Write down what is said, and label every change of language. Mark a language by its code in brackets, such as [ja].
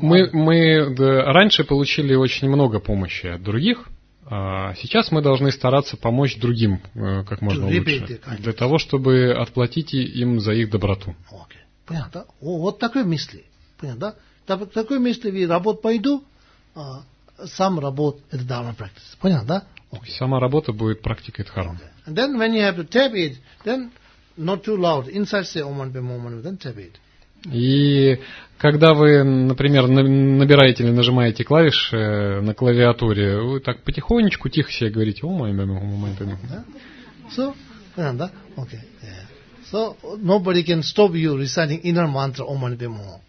[ru] Мы раньше получили очень много помощи от других, а сейчас мы должны стараться помочь другим как можно лучше. Для того, чтобы отплатить им за их доброту. Okay. Понятно? Вот такой мысли. Понятно? В такой мысли я работу пойду, сам работа это дхарма практика. Понятно, да? [en] Okay. [ru] Сама работа будет практикой дхармы. [en] Okay. And then when you have to tap it, then not too loud. Inside say Om Bhim Om Manu, then tap it. [ru] И когда вы, например, набираете или нажимаете клавиши на клавиатуре, вы так потихонечку, тихо себе говорите Om Bhim Om Manu. [en] So, [ru] понятно, да? [en] Okay. Yeah. So, nobody can stop you reciting inner mantra Om Bhim Om.